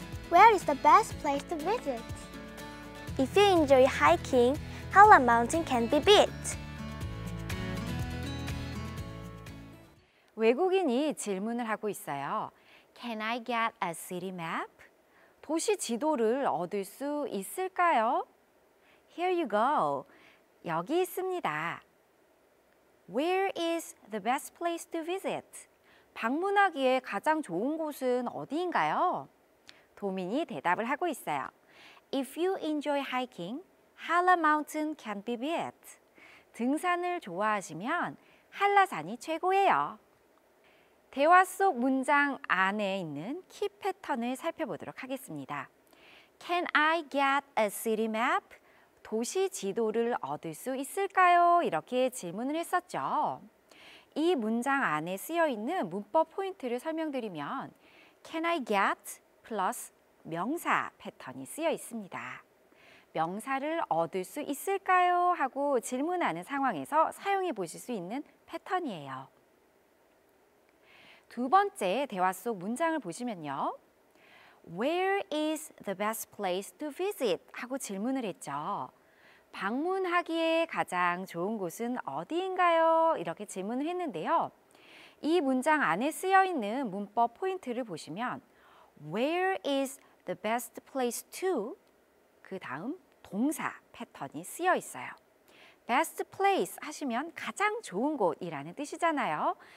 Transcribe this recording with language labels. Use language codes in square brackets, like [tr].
[en] Where is the best place to visit? If you enjoy hiking, Hala Mountain can be beat. [ko] 외국인이 질문을 하고 있어요. [en] Can I get a city map? [ko] 도시 지도를 얻을 수 있을까요? [en] Here you go. [ko] 여기 있습니다. [en] Where is the best place to visit? [ko] 방문하기에 가장 좋은 곳은 어디인가요? 도민이 대답을 하고 있어요. [en] If you enjoy hiking, Hala Mountain can be beat. [ko] 등산을 좋아하시면 한라산이 최고예요. 대화 속 문장 안에 있는 키 패턴을 살펴보도록 하겠습니다. [en] Can I get a city map? [ko] 도시 지도를 얻을 수 있을까요? 이렇게 질문을 했었죠. 이 문장 안에 쓰여 있는 문법 포인트를 설명드리면 Can I get plus 명사 패턴이 쓰여 있습니다. 명사를 얻을 수 있을까요? 하고 질문하는 상황에서 사용해 보실 수 있는 패턴이에요. 두 번째 대화 속 문장을 보시면요. [en] Where is the best place to visit? [ko] 하고 질문을 했죠. 방문하기에 가장 좋은 곳은 어디인가요? 이렇게 질문을 했는데요. 이 문장 안에 쓰여 있는 문법 포인트를 보시면 [en] Where is the best place to? [ko] 그 다음 동사 패턴이 쓰여 있어요. Best place 하시면 가장 좋은 곳이라는 뜻이잖아요.